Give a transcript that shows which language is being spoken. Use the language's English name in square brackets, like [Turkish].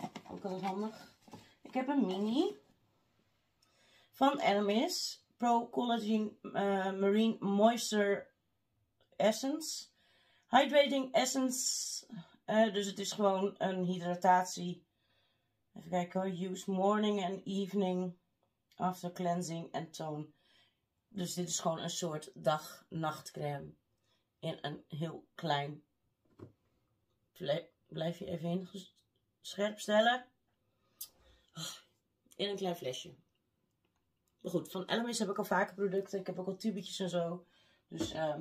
[Dutch] Ook wel handig. Ik heb een mini. Van Elemis. Pro Collagen Marine Moisture Essence. Hydrating Essence. Dus het is gewoon een hydratatie. Even kijken hoor. [English] Use morning and evening. After cleansing and tone. [Dutch] Dus dit is gewoon een soort dag-nachtcreme. In een heel klein. Blijf je even in scherp stellen. In een klein flesje. Maar goed, van Elemis heb ik al vaker producten. Ik heb ook al tubetjes en zo. Dus